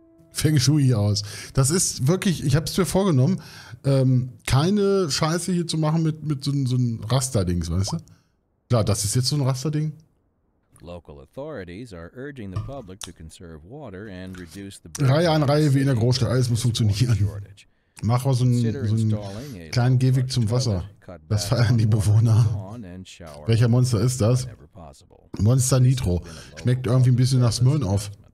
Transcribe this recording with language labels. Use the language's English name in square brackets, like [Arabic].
[German] Feng Shui aus. Das ist wirklich, ich habe es mir vorgenommen, keine Scheiße hier zu machen mit so einem Raster-Dings, weißt du? Klar, das ist jetzt so ein Raster-Ding. [English] Local authorities are urging the public to conserve water and reduce the [German] Reihe an Reihe wie in der Großstadt, alles muss funktionieren. Mach mal so einen kleinen Gehweg zum Wasser. Das feiern die Bewohner. Welcher Monster ist das? Monster Nitro. Schmeckt irgendwie ein bisschen nach Smirnoff.